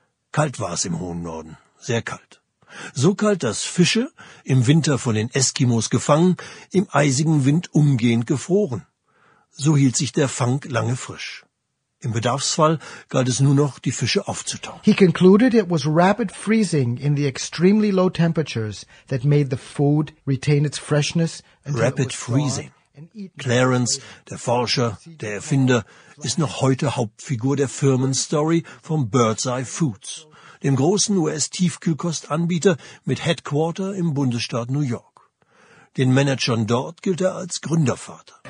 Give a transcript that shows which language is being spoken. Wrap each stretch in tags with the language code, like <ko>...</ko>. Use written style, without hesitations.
<de>Kalt war es im hohen Norden, sehr kalt. So kalt, dass Fische, im Winter von den Eskimos gefangen, im eisigen Wind umgehend gefroren. So hielt sich der Fang lange frisch. Im Bedarfsfall galt es nur noch, die Fische aufzutauen.</de> <en>He concluded it was rapid freezing in the extremely low temperatures that made the food retain its freshness. Rapid freezing.</en> <de>Clarence, der Forscher, der Erfinder, ist noch heute Hauptfigur der Firmenstory von Birdseye Foods, dem großen US-Tiefkühlkostanbieter mit Headquarter im Bundesstaat New York. Den Managern dort gilt er als Gründervater.</de>